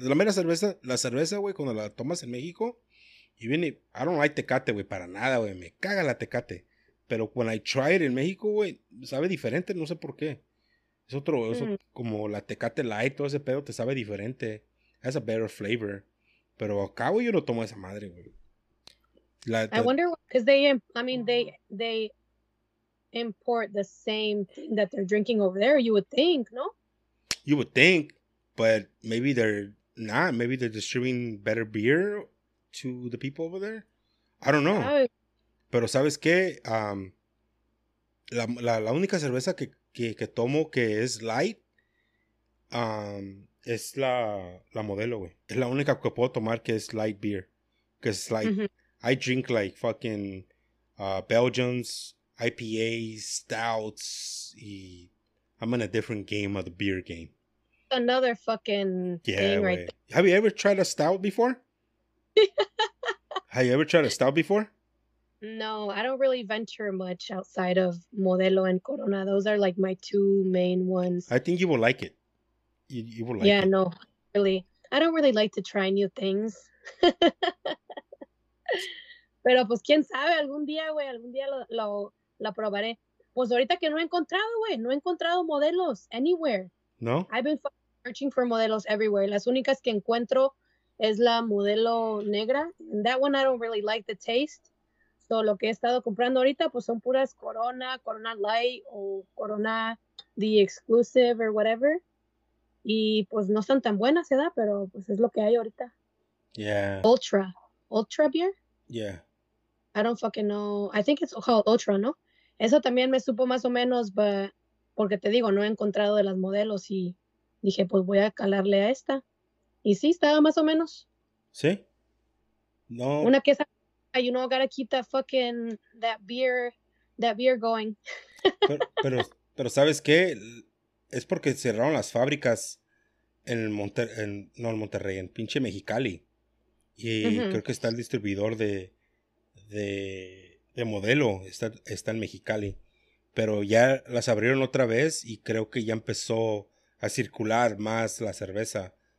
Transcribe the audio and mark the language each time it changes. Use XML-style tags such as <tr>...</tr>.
<es>La mera cerveza, güey, cuando la tomas en México, y viene,</es> <en>I don't like Tecate,</en> <es>güey, para nada, güey. Me caga la Tecate. Pero</es> <en>when I try it</en> <es>en México, güey, sabe diferente, no sé por qué. Es otro, eso, como la Tecate Light, todo ese pedo, te sabe diferente.</es> <en>Has a better flavor.</en> <es>Pero acá, güey, yo no tomo esa madre, güey.</es> <en>I wonder, because they import the same thing that they're drinking over there, you would think, no? You would think, but maybe they're not. Maybe they're distributing better beer to the people over there. I don't know.</en> <es>Pero ¿sabes qué? La única cerveza que tomo que es light, es la modelo, güey. Es la única que puedo tomar que es light beer.</es> <en>Because, like, I drink, like, fucking Belgians, IPAs, stouts, I'm in a different game of the beer game. Another fucking thing, right? There. Have you ever tried a stout before? Have you ever tried a stout before? No, I don't really venture much outside of Modelo and Corona. Those are, like, my two main ones. I think you will like it. You will like yeah, it. Yeah, no, really. I don't really like to try new things.</en> <es>Pero, pues, quién sabe, algún día, güey, algún día lo probaré. Pues, ahorita que no he encontrado, güey, no he encontrado modelos anywhere. No?</es> <en>I've been searching for modelos everywhere.</en> <es>Las únicas que encuentro es la modelo negra.</es> <en>And that one, I don't really like the taste.</en> <es>So, lo que he estado comprando ahorita, pues, son puras Corona, Corona Light, o Corona The Exclusive,</es> <en>or whatever.</en> <es>Y pues no son tan buenas, ¿verdad? Pero pues es lo que hay ahorita.</es> <en>Yeah. Ultra. Ultra beer? Yeah. I don't fucking know. I think it's called Ultra,</en> <es>¿no? Eso también me supo más o menos, but porque te digo, no he encontrado de las modelos y dije, pues voy a calarle a esta. Y sí, estaba más o menos. ¿Sí? No. Una que es,</es> <en>you know, gotta keep that fucking, that beer going.</en> <es>Pero ¿sabes qué? Es porque cerraron las fábricas en el Monterrey, en pinche Mexicali. Y creo que está el distribuidor de Modelo, está en Mexicali. Pero ya las abrieron otra vez y creo que ya empezó a circular más la cerveza.</es>